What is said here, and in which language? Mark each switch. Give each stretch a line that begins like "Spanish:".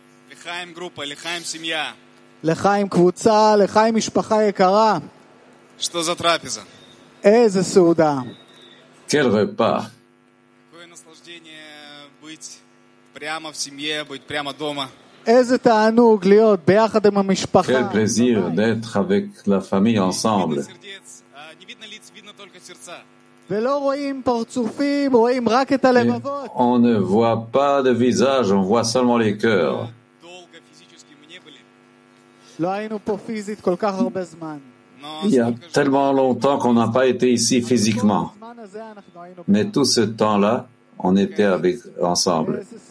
Russian: Лехаим группа, лехаим семья.
Hebrew: Лехаим квуца, лехаим мишпаха якара.
Russian: Что за трапеза?
Hebrew: Эзе сауда.
French: Quel repas.
Russian: Какое наслаждение быть прямо в семье, быть прямо дома.
Hebrew: איזה תענוג להיות ביחד עם המשפחה.
French: Quel plaisir d'être avec la famille ensemble.
Hebrew: ולא רואים פרצופים, רואים רק את הלבבות.
French: On ne voit pas de visage, on voit seulement les cœurs.
Hebrew: לא היינו פה פיזית כל כך הרבה זמן.
French: Il y a tellement longtemps qu'on n'a pas été ici physiquement. Mais tout ce temps-là, on était avec ensemble.